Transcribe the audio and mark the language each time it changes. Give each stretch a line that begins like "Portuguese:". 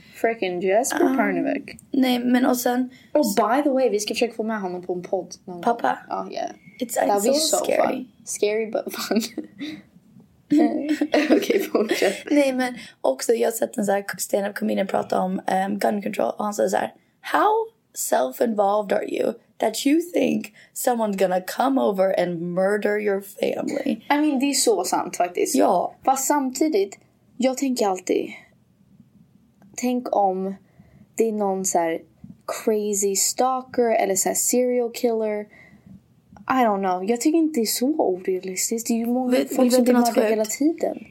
English: Freaking Jesper Parnevik.
Swedish: Nej, men och sen...
English: Oh, by the way,
Swedish: vi ska försöka få med honom på en podd. Någon pappa. Gång.
English: Oh, yeah. It's so scary. Fun. Scary but fun.
Swedish: Okej, fortsätt. Nej, men också jag har sett en sån här stand-up comedian prata om gun control. Och han säger så här,
English: how self-involved are you that you think someone's gonna come over and murder your family? I mean,
Swedish: det är så sant faktiskt. Ja. Fast samtidigt, jag tänker alltid, tänk om det är någon så här crazy stalker eller så här serial killer.
English: I don't know.
Swedish: Jag tycker inte det är så orealistiskt. Det är ju många folk som blir mördade hela tiden.